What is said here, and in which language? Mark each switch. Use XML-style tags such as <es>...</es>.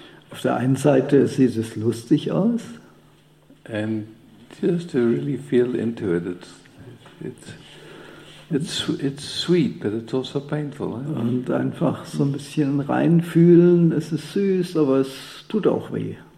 <de>Auf der einen Seite sieht es lustig aus.</de> <en>And just to really feel into it, it's sweet, but it's also painful. Eh?</en> <de>Und einfach so ein bisschen reinfühlen. Es ist süß, aber es tut auch weh.</de>